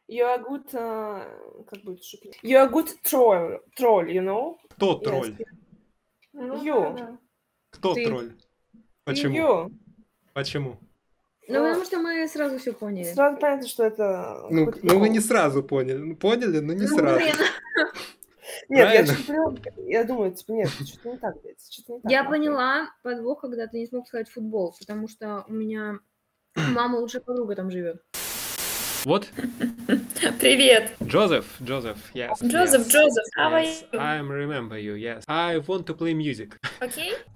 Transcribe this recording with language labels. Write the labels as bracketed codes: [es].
[en] You are good, [ru] как будет шутить? [en] You are good troll, you know? [ru] Кто тролль? [en] You. [ru] Кто тролль? Почему? [en] You. [ru] Почему? Ну, потому что мы сразу все поняли. Сразу понятно, что это... Ну, вы не сразу поняли. Поняли, но не сразу. Нет, я шуплю. Я думаю, типа, нет, что-то не так, блядь. Я поняла подвох, когда ты не смог сказать футбол, потому что у меня мама лучшая подруга там живет. [en] What? [ru] Привет. [en] Джозеф, yes. Джозеф, how are you? I remember you, yes. I want to play music. Okay.